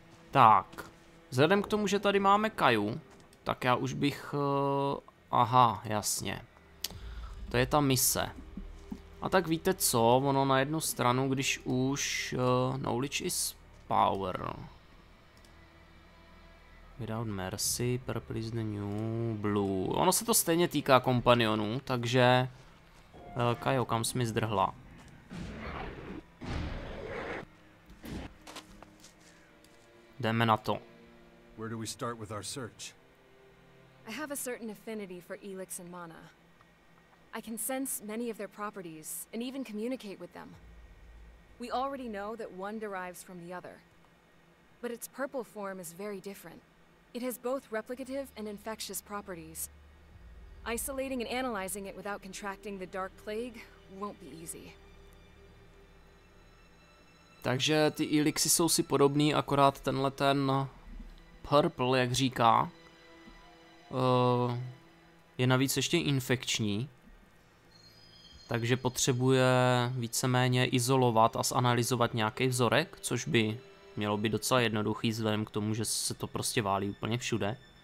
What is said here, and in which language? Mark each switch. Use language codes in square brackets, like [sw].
[cs] Tak, vzhledem k tomu, že tady máme Kaju, tak já už bych... Aha, jasně. To je ta mise. A tak víte co, ono na jednu stranu, když už... [en] Knowledge is power... Without mercy, purple is the new blue. [cs] Ono se to stejně týká kompanionů, takže... Kajo, kam jsi mi zdrhla? Jdeme na to. [en] Where do we start with our search? I have a certain affinity for Elix and Mana. I can sense many of their properties, and even communicate with them. We already know that one derives from the other. But its purple form is very different. It has both replicative and infectious properties. Isolating and analyzing it without contracting the dark plague won't be easy. [cs] Takže ty elixy jsou si podobný, akorát tenhle ten purple, jak říká, je navíc ještě infekční. Takže potřebuje víceméně izolovat a zanalyzovat nějaký vzorek, což by mělo být docela jednoduchý vzhledem k tomu, že se to prostě válí úplně všude.